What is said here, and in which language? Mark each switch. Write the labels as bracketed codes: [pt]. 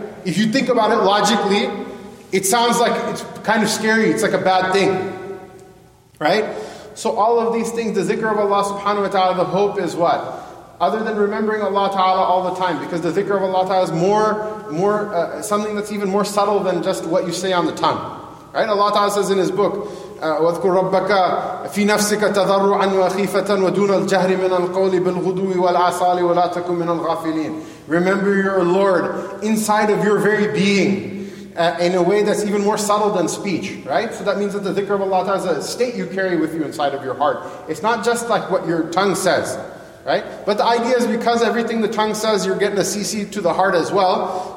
[en] If you think about it logically, it sounds like it's kind of scary. It's like a bad thing. Right? So all of these things, the zikr of Allah subhanahu wa ta'ala, the hope is what? Other than remembering Allah ta'ala all the time, because the zikr of Allah ta'ala is more something that's even more subtle than just what you say on the tongue. Right? Allah ta'ala says in his book, [ar] وَذْكُرْ رَبَّكَ فِي نَفْسِكَ تَذَرُّعًا وَخِيفَةً وَدُونَ الْجَهْرِ مِنَ الْقَوْلِ بِالْغُدُوِ وَالْعَصَالِ وَلَا تَكُمْ مِنَ الْغَافِلِينَ. [en] Remember your Lord inside of your very being. In a way that's even more subtle than speech, right? So that means that the dhikr of Allah is a state you carry with you inside of your heart. It's not just like what your tongue says, right? But the idea is because everything the tongue says, you're getting a CC to the heart as well.